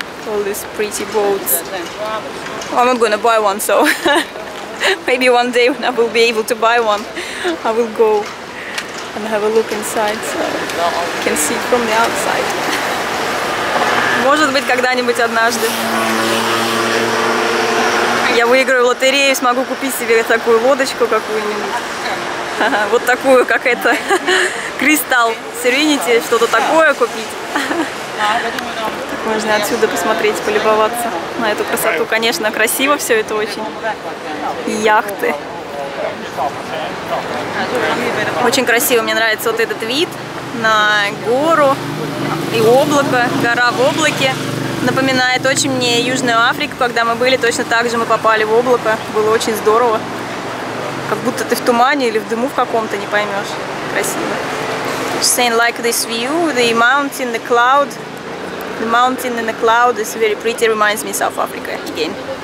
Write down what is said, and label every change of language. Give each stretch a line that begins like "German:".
English: All these pretty boats. I'm not gonna buy one, so maybe one day when I will be able to buy one, I will go and have a look inside, so I can see it from the outside.
Russian: Может быть, когда-нибудь однажды я выиграю лотерею и смогу купить себе такую лодочку какую-нибудь. Вот такую, как это, Crystal Serenity, что-то такое купить. Так можно отсюда посмотреть, полюбоваться на эту красоту. Конечно, красиво все это очень. Яхты. Очень красиво, мне нравится вот этот вид на гору. И облако, гора в облаке. Напоминает очень мне Южную Африку, когда мы были, точно так же мы попали в облако. Было очень здорово. Как будто ты в тумане или в дыму в каком-то, не поймешь. Красиво.
English: She's saying like this view, the mountain, the cloud. The mountain and the cloud is very pretty, reminds me South Africa again.